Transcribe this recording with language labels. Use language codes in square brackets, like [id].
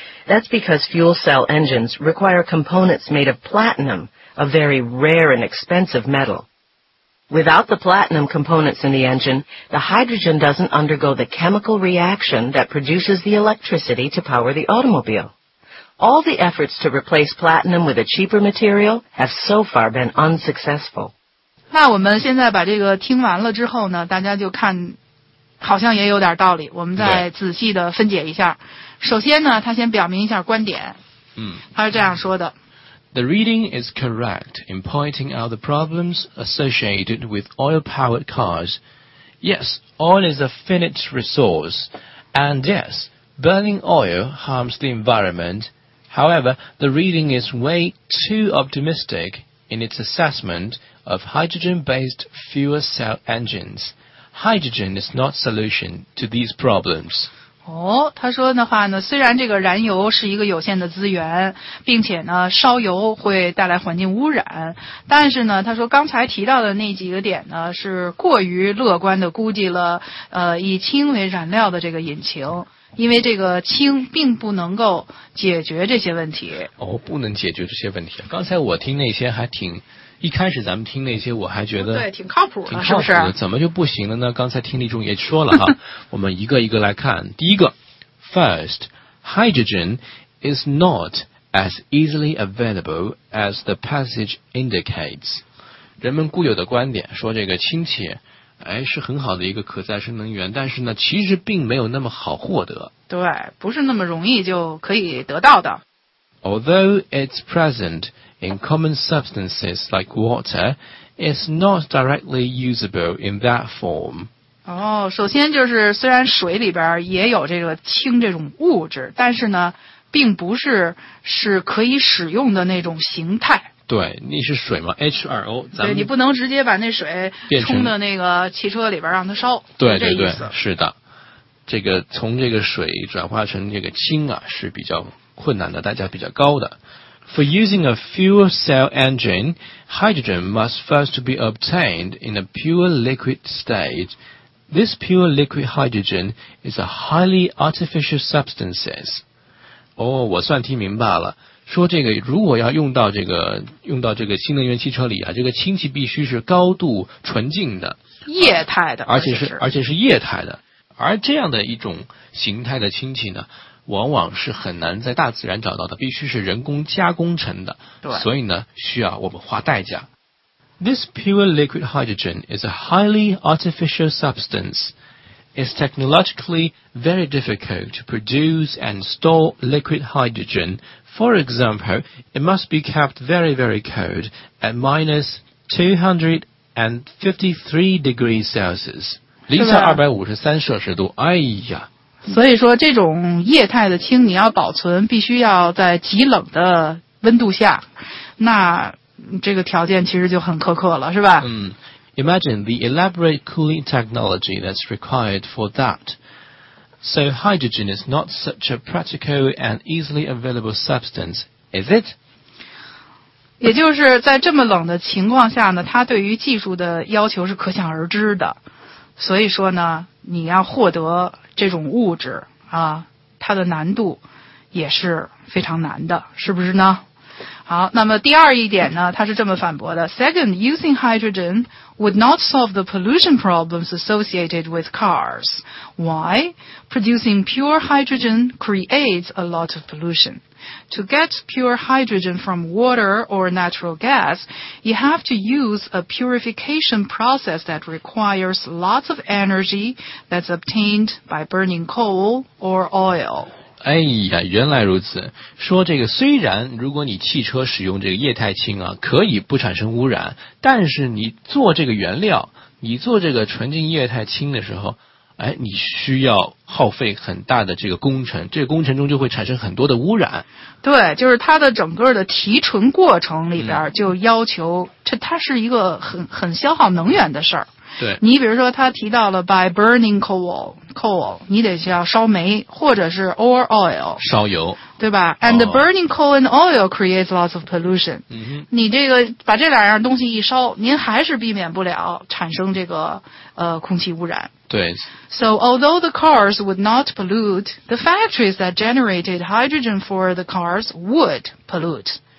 [en] That's because fuel cell engines require components made of platinum, a very rare and expensive metal. Without the platinum components in the engine, the hydrogen doesn't undergo the chemical reaction that produces the electricity to power the automobile. All the efforts to replace platinum with a cheaper material have so far been unsuccessful. [zh] 那我们现在把这个听完了之后呢，大家就看，好像也有点道理。我们再仔细的分解一下。首先呢，他先表明一下观点。嗯，他是这样说的。 [en] The reading is correct in pointing out the problems associated with oil-powered cars. Yes, oil is a finite resource, and yes, burning oil harms the environment. However, the reading is way too optimistic in its assessment of hydrogen-based fuel cell engines. Hydrogen is not the solution to these problems. [zh] 哦，他说的话呢，虽然这个燃油是一个有限的资源，并且呢，烧油会带来环境污染，但是呢，他说刚才提到的那几个点呢，是过于乐观地估计了，以氢为燃料的这个引擎，因为这个氢并不能够解决这些问题。哦，不能解决这些问题。刚才我听那些还挺，一开始咱们听那些我还觉得对挺靠谱的，挺靠谱的，是不是？怎么就不行了呢？刚才听力中也说了哈，我们一个一个来看。第一个 [en] ，First, hydrogen is not as easily available as the passage indicates. [zh] 人们固有的观点说这个氢气，哎，是很好的一个可再生能源，但是呢，其实并没有那么好获得。对，不是那么容易就可以得到的。 [en] Although it's present. In common substances like water, it's not directly usable in that form. [zh] 哦，首先就是虽然水里边也有这个氢这种物质，但是呢，并不是是可以使用的那种形态。对，你是水嘛 ，H2O。对，你不能直接把那水冲到那个汽车里边让它烧。对对对，是的，这个从这个水转化成这个氢啊是比较困难的，代价比较高的。 [en] For using a fuel cell engine, hydrogen must first be obtained in a pure liquid state. This pure liquid hydrogen is a highly artificial substance. [zh] 哦，我算听明白了。说这个如果要用到这个新能源汽车里啊，这个氢气必须是高度纯净的，液态的，而且是液态的。而这样的一种形态的氢气呢？往往是很难在大自然找到的，必须是人工加工成的，对，所以呢，需要我们花代价。 [en] This pure liquid hydrogen is a highly artificial substance. It's technologically very difficult to produce and store liquid hydrogen. For example, it must be kept very, very cold at minus 253 degrees Celsius. [zh] 零下253摄氏度，哎呀。所以说这种液态的氢你要保存必须要在极冷的温度下，那这个条件其实就很苛刻了，是吧？ [en] 嗯， Imagine the elaborate cooling technology that's required for that. So hydrogen is not such a practical and easily available substance, is it? [zh] 也就是在这么冷的情况下呢，它对于技术的要求是可想而知的。所以说呢，你要获得这种物质啊，它的难度也是非常难的，是不是呢？好，那么第二一点呢，他是这么反驳的。 [en] Second, using hydrogen would not solve the pollution problems associated with cars. Why? Producing pure hydrogen creates a lot of pollution. To get pure hydrogen from water or natural gas, you have to use a purification process that requires lots of energy that's obtained by burning coal or oil. [zh] 哎呀，原来如此。说这个，虽然如果你汽车使用这个液态氢啊，可以不产生污染，但是你做这个原料，你做这个纯净液态氢的时候，哎，你需要耗费很大的这个工程，这个工程中就会产生很多的污染。对，就是它的整个的提纯过程里边就要求，它是一个很消耗能源的事儿。对，你比如说他提到了 [en] by burning coal， [zh] 你得需要烧煤或者是 [en] or oil， [zh] 烧油，对吧 [en] ？And the burning coal and oil creates lots of pollution。嗯， [zh] 你这个把这两样东西一烧，您还是避免不了产生这个空气污染。对。 [en] So although the cars would not pollute, the factories that generated hydrogen for the cars would pollute。